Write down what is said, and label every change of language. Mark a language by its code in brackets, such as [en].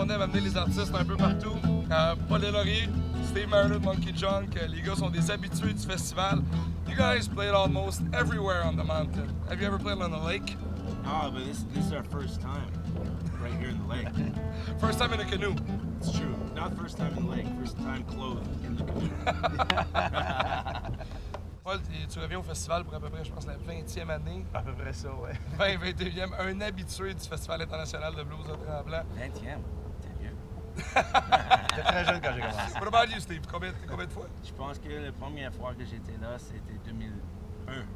[fr] On aime amener les artistes un peu partout. Pas les lauriers. Steve Marriner, Monkey Junk, les gars sont des habitués du festival. [en] You guys played almost everywhere on the mountain. Have you ever played on the lake? No, but this is our first time right here in the lake. First time in a canoe. It's true. Not first time in the lake, first time clothed in the canoe. [fr] Paul, tu reviens au festival pour à peu près, je pense, la 20e année. À peu près ça, ouais. 20, 21e, un habitué du Festival international de blues de Tremblant. 20e. J'étais très jeune quand j'ai commencé. [en] What about you, Steve? [fr] Combien de fois? Je pense que la première fois que j'étais là, c'était 2001.